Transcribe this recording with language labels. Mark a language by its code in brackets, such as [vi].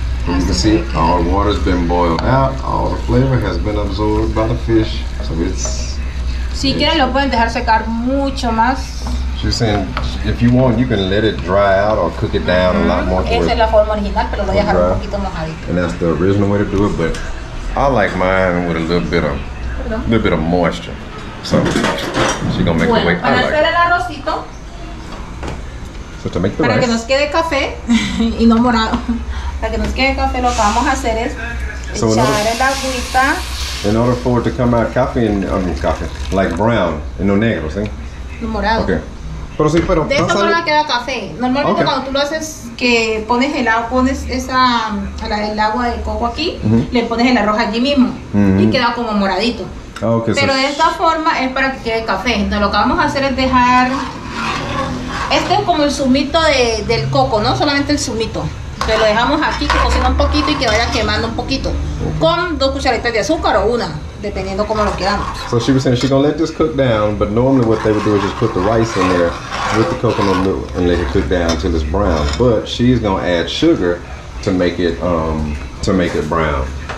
[en] You can see all the water's been boiled out, all the flavor has been absorbed by the fish, so it's... [es] Si quieren, lo pueden dejar secar mucho más. [en] She's saying, if you want, you can let it dry out or cook it down a lot more. [es] Esa es la forma original, pero lo voy a dejar un poquito mojadito. [en] And that's the original way to do it, but I like mine with a little bit of moisture. So she's gonna make the way. [es] Para hacer el arrocito. [en] So to make the [es] rice. Para que nos quede café y no morado. Para que nos quede café, lo que vamos a hacer es echar el agüita. [en] In order for it to come out coffee, like brown, and no negro, ¿sí? [es] No morado. Okay. Pero sí, pero de esto no va a quedar café. Normalmente cuando tú lo haces, que pones el agua, pones el agua de coco aquí, le pones el arroz allí mismo, y queda como moradito. Okay, pero de esta forma es para que quede café. Entonces lo que vamos a hacer es dejar, este es como el zumito del coco, ¿no? Solamente el zumito. Entonces lo dejamos aquí que cocina un poquito y que vaya quemando un poquito. Con dos cucharitas de azúcar o una, dependiendo cómo lo queramos. [en] So she was saying she's gonna let this cook down, but normally what they would do is just put the rice in there with the coconut milk and let it cook down until it's brown. But she's gonna add sugar to make it brown.